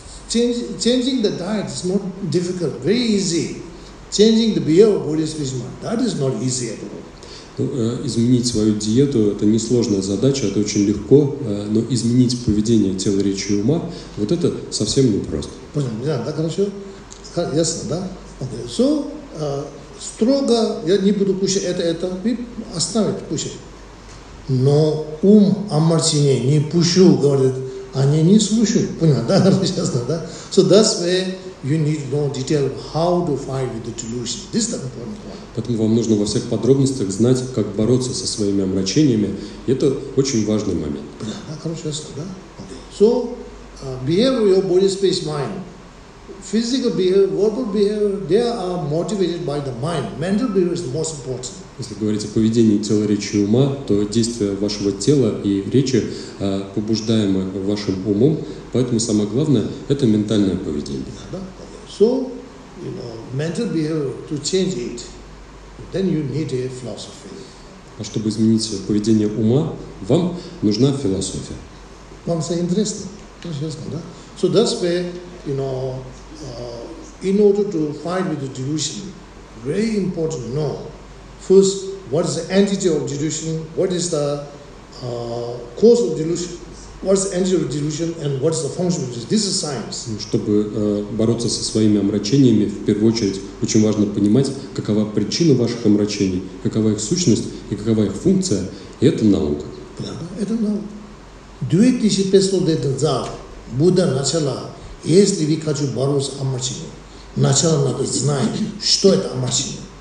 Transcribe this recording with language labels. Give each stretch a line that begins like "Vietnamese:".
English: Changing the diet is not difficult, very easy. Changing the behavior of Bodhis Vishma, that is not easy at all.
Russian: Ну, изменить свою диету – это несложная задача, это очень легко, но изменить поведение тела, речи и ума – вот это совсем непросто. Понял, да, хорошо? Ясно, да? Okay. So, строго я не буду кушать это, и оставить кушать. Но ум омрачение не пущу, говорит, они не слушают. Понял, да, хорошо, ясно, да?
English: So, that's where you need to know detail how to fight with the delusion. This is the important one.
Russian: Поэтому вам нужно во всех подробностях знать, как бороться со своими омрачениями. И это очень важный момент. Да, хорошо, ясно, да?
English: So, behavior your body, space, mind. Physical behavior, verbal behavior, they are motivated by the mind. Mental behavior is the most important.
Russian: Если говорить о поведении тела, речи и ума, то действия вашего тела и речи побуждаемы вашим умом, поэтому самое главное – это ментальное поведение. Да, да.
English: So, you know, mental behavior, to change it, then you need a philosophy.
Russian: А чтобы изменить поведение ума, вам нужна философия. Вам все интересно? Интересно, да?
English: So, that's where, you know, in order to fight with the delusion, very important to know, first, what is the entity of delusion, what is the cause of delusion, what is the entity of delusion, and what is the function of delusion. This is science.
Russian: Чтобы бороться со своими омрачениями, в первую очередь, очень важно понимать, какова причина ваших омрачений, какова их сущность и какова их функция. И это наука. Правда, это наука. 2500 лет назад Будда начала, если вы хотите бороться с омрачением, начало надо знать, что это омрачение.